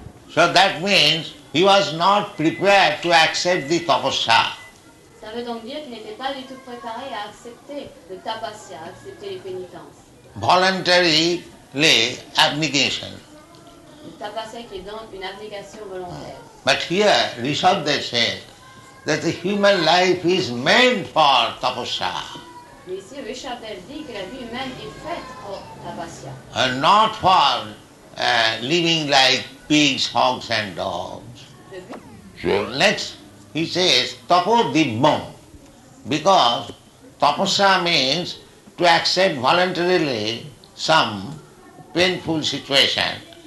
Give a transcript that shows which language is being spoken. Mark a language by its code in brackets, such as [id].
[en] So that means he was not prepared to accept the tapasya. [fr] Ça veut donc dire qu'il n'était pas du tout préparé à accepter le tapasya, accepter les pénitences. [en] Voluntarily abnegation. [fr] Le tapasya qui est donc une abnegation volontaire. [en] But here Rishabdev says that the human life is meant for tapasya. [fr] Mais ici, Rishabdev dit que la vie humaine est faite pour tapasya. [en] And not for living like pigs, hogs and dogs. Sure. Next, he says, tapo dibbam, because tapasya means to accept voluntarily some painful situation.